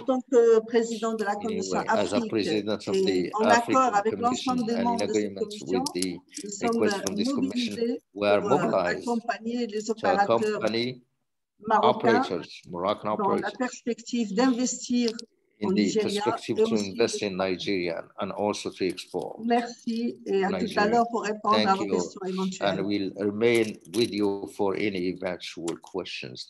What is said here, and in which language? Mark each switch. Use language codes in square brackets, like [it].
[fr] En tant que président de la Commission Afrique, et en accord avec l'ensemble des membres de cette commission, nous sommes mobilisés pour accompagner les opérateurs marocains dans la perspective d'investir [en] in the Nigeria, perspective to invest in Nigeria and also to export. [fr] Merci et à tout à l'heure pour répondre [en] Thank [fr] à vos questions éventuelles. [en] And we'll remain with you for any eventual questions.